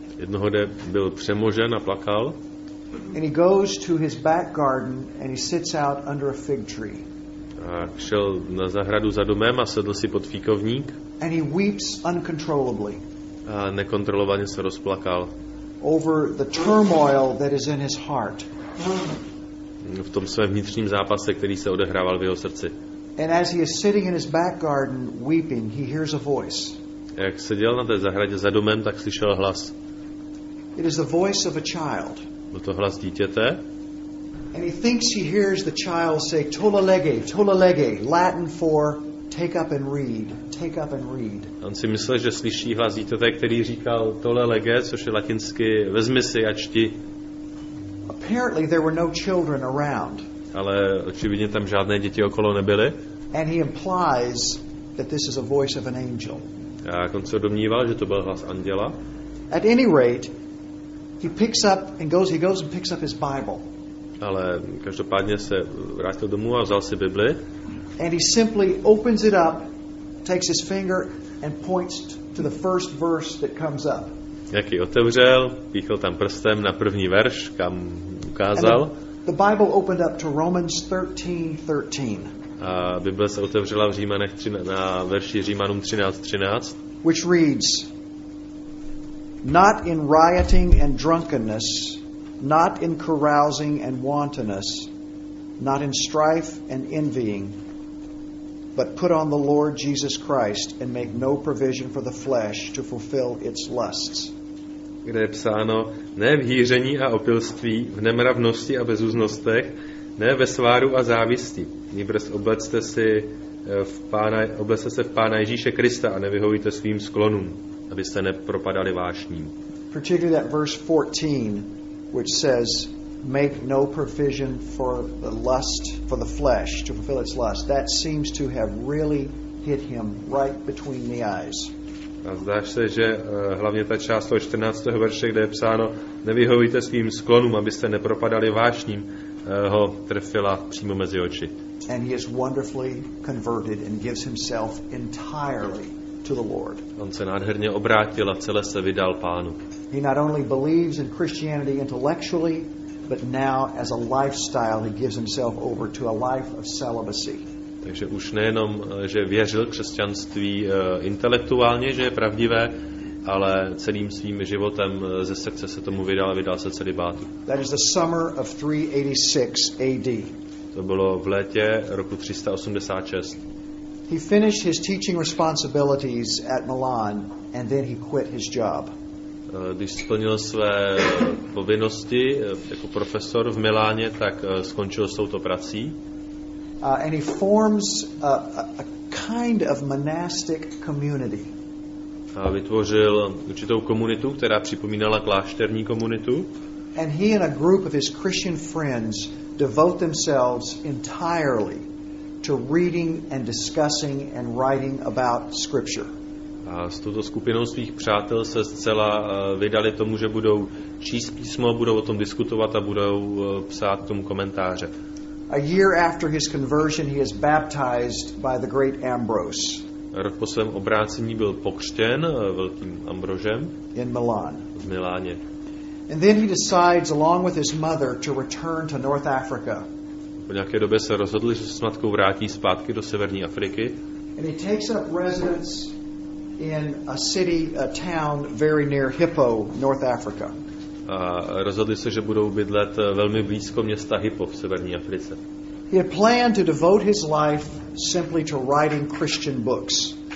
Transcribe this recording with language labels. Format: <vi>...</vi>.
<cs>Jednoho dne byl přemožen a plakal.</cs> <en>And he goes to his back garden and he sits out under a fig tree.</en> <cs>A šel na zahradu za domem a sedl si pod fíkovník.</cs> <en>And he weeps uncontrollably.</en> <cs>A nekontrolovaně se rozplakal.</cs> <en>Over the turmoil that is in his heart.</en> <cs>V tom svém vnitřním zápase, který se odehrával v jeho srdci.</cs> <en>And as he is sitting in his back garden weeping, he hears a voice.</en> <cs>Jak seděl na té zahradě za domem, tak slyšel hlas.</cs> <en>It is the voice of a child.</en> <cs>Byl to hlas dítěte.</cs> <en>And he thinks he hears the child say</en> <la>tola lege, tola lege,</la> <en>Latin for take up and read, take up and read.</en> <cs>On si myslel, že slyší hlas dítěte, který říkal</cs> <la>tola lege,</la> <cs>což je latinsky vezmi si a čti.</cs> <en>Apparently there were no children around.</en> <cs>Ale očividně tam žádné děti okolo nebyly.</cs> <en>And he implies that this is a voice of an angel.</en> <cs>A on se domníval, že to byl hlas anděla.</cs> <en>At any rate, he picks up and goes and picks up his Bible.</en> <cs>Ale každopádně se vrátil domů a vzal si Bibli.</cs> <en>And he simply opens it up, takes his finger and points to the first verse that comes up.</en> <cs>Jak ji otevřel, píchl tam prstem na první verš, kam ukázal.</cs> <en>The Bible opened up to Romans 13:13.</en> <cs>A Bible se otevřela v Římanech 13, na verši Římanům 13:13.</cs> <en>Which reads, not in rioting and drunkenness, not in carousing and wantonness, not in strife and envying, but put on the Lord Jesus Christ and make no provision for the flesh to fulfill its lusts.</en> <cs>Kde je psáno, ne v hýření a opilství, v nemravnosti a bezúznostech, ne ve sváru a závisti. Nýbrž oblečte se v Pána Ježíše Krista a nevyhovujte svým sklonům, abyste nepropadali vášním.</cs> <en>Particularly that verse 14, which says, make no provision for the lust, for the flesh, to fulfill its lust. That seems to have really hit him right between the eyes.</en> <cs>A zdá se, že hlavně ta část toho 14. verše, kde je psáno, nevyhovujte svým sklonům, abyste nepropadali vášním, ho trefila přímo mezi oči.</cs> <en>And he is wonderfully converted and gives himself entirely to the Lord.</en> <cs>On se nádherně obrátil a celé se vydal Pánu.</cs> <en>He not only believes in Christianity intellectually, but now as a lifestyle he gives himself over to a life of celibacy.</en> <cs>Takže už nejenom, že věřil křesťanství intelektuálně, že je pravdivé, ale celým svým životem ze srdce se tomu vydal a vydal se celibátu.</cs> <en>That is the summer of 386 AD.</en> <cs>To bylo v létě roku 386.</cs> <en>He finished his teaching responsibilities at Milan and then he quit his job.</en> <cs>Když splnil své povinnosti jako profesor v Miláně, tak skončil s touto prací.</cs> <en>And he forms a kind of monastic community.</en> <cs>A vytvořil určitou komunitu, která připomínala klášterní komunitu.</cs> <en>And he and a group of his Christian friends devote themselves entirely to reading and discussing and writing about scripture.</en> <cs>A s touto skupinou svých přátel se zcela vydali tomu, že budou číst písmo, budou o tom diskutovat a budou psát k tomu komentáře.</cs> <en>A year after his conversion, he is baptized by the great Ambrose.</en> <cs>Rok po svém obrácení byl pokřtěn velkým Ambrožem</cs> <en>in Milan.</en> <cs>V Miláně.</cs> <en>And then he decides, along with his mother, to return to North Africa.</en> <cs>Po nějaké době se rozhodl, že se s matkou vrátí zpátky do severní Afriky.</cs> <en>And he takes up residence in a city, a town very near Hippo, North Africa.</en> <cs>A rozhodli se, že budou bydlet velmi blízko města Hippo v severní Africe.</cs> <en>He had planned to devote his life simply to writing Christian books.</en>